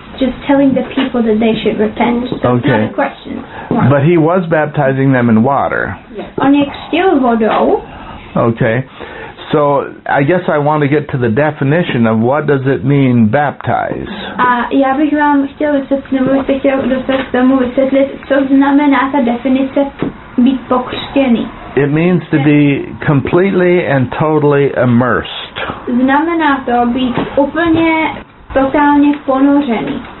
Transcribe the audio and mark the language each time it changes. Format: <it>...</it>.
<en>Just telling the people that they should repent. So okay. It's not a question. No. But he was baptizing them in water.</en> <cs>On jak štěl vodou.</cs> <en>Okay. So I guess I want to get to the definition of what does it mean baptize.</en> <cs>Já bych vám chtěl dostat k tomu vysvětlit, co znamená ta definice být pokřtěný.</cs> <en>It means to be completely and totally immersed.</en> <cs>Znamená to být úplně totálně ponořený.</cs>